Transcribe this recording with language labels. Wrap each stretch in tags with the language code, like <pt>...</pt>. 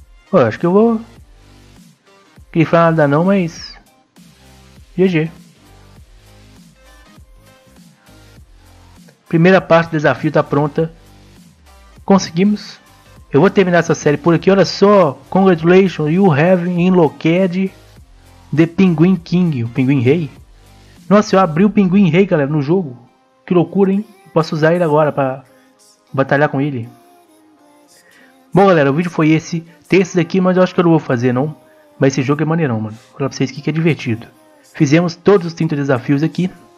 <pt>Pô, acho que eu vou. Queria falar nada não, mas. GG. Primeira parte do desafio tá pronta. Conseguimos. Eu vou terminar essa série por aqui. Olha só.</pt> <en>Congratulations, you have unlocked the Penguin King.</en> <pt>O Pinguim Rei. Nossa, eu abri o Pinguim Rei, galera, no jogo. Que loucura, hein? Posso usar ele agora pra batalhar com ele. Bom, galera, o vídeo foi esse. Tem esses aqui, mas eu acho que eu não vou fazer, não. Mas esse jogo é maneirão, mano. Vou falar pra vocês que é divertido. Fizemos todos os 30 desafios aqui.</pt>